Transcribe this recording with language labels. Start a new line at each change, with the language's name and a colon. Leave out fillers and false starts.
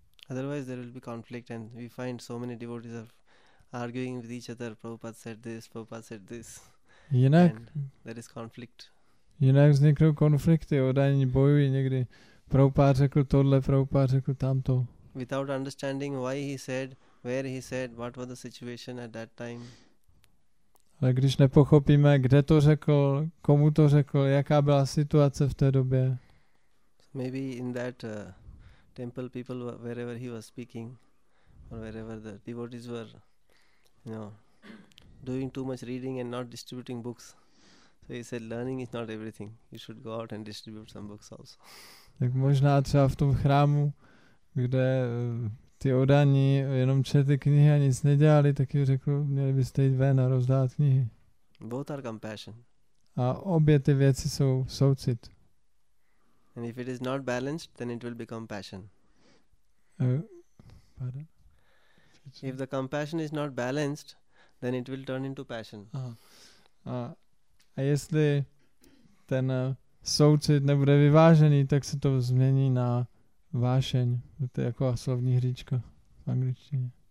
English: Otherwise there will be conflict and we find so many devotees are arguing with each other. Prabhupada said this.
Czech: Jinak,
English: and there is conflict.
Czech: Jinak vzniknou konflikty, odání bojují někdy. Prabhupada řekl tohle, Prabhupada řekl tamto.
English: Without understanding why he said, where he said, what was the situation at that time.
Czech: Ale když nepochopíme, kde to řekl, komu to řekl, jaká byla situace v té době.
English: Maybe in that temple people, wherever he was speaking, or wherever the devotees were, you know, doing too much reading and not distributing books. So he said, learning is not everything. You should go out and distribute some books also.
Czech: Tak možná třeba v tom chrámu, kde ty odaní jenom četli knihy a nic nedělali, tak jim řekl, měli byste jít ven a rozdát knihy.
English: Both are compassion.
Czech: A obě ty věci jsou soucit.
English: And if it is not balanced, then it will become passion. Pardon? If the compassion is not balanced, then it will turn into passion.
Czech: A jestli ten soucit nebude vyvážený, tak se to změní na vášeň. To je jako slovní hříčka v angličtině.